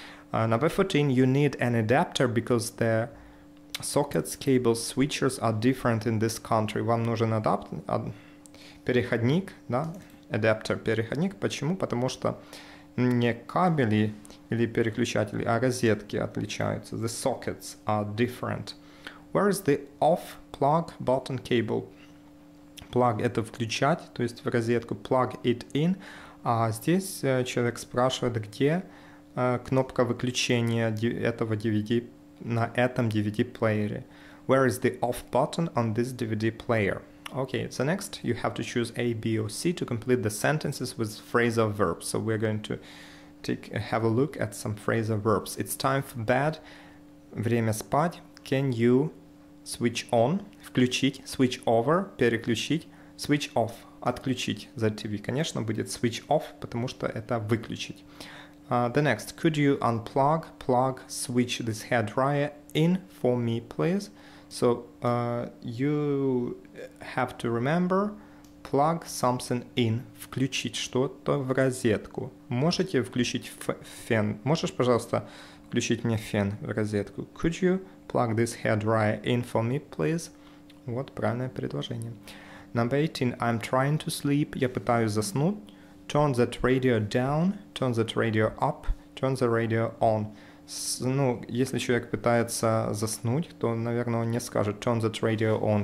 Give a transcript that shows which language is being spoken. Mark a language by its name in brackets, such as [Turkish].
[English] Number 14, you need an adapter because the sockets, cables, switches are different in this country. [Russian] Вам нужен переходник, да? Adapter, переходник. Почему? Потому что не кабели или переключатели, а розетки отличаются. [English] The sockets are different. Where is the off plug button cable? [Russian] Plug — это включать, то есть в розетку. [English] Plug it in. [Russian] А здесь человек спрашивает, где кнопка выключения этого DVD на этом DVD-плеере. [English] Where is the off button on this DVD player? Okay, so next you have to choose A, B, or C to complete the sentences with phrasal verbs. So we're going to have a look at some phrasal verbs. It's time for bed. [Russian] Время спать. [English] Can you switch on? [Russian] Включить, [English] switch over, [Russian] переключить, [English] switch off, [Russian] отключить за [English] TV. [Russian] Конечно, будет [English] switch off, [Russian] потому что это выключить. [English] The next, could you unplug, plug, switch this hairdryer in for me, please? So, you have to remember, plug something in, [Russian] включить что-то в розетку. Можете включить фен? Можешь, пожалуйста, включить мне фен в розетку? [English] Could you plug this hairdryer in for me, please? [Russian] Вот правильное предложение. [English] Number 18. I'm trying to sleep. [Russian] Я пытаюсь заснуть. [English] Turn that radio down. Turn that radio up. Turn the radio on. [Russian] Ну, если человек пытается заснуть, то, наверное, он не скажет [English] turn that radio on.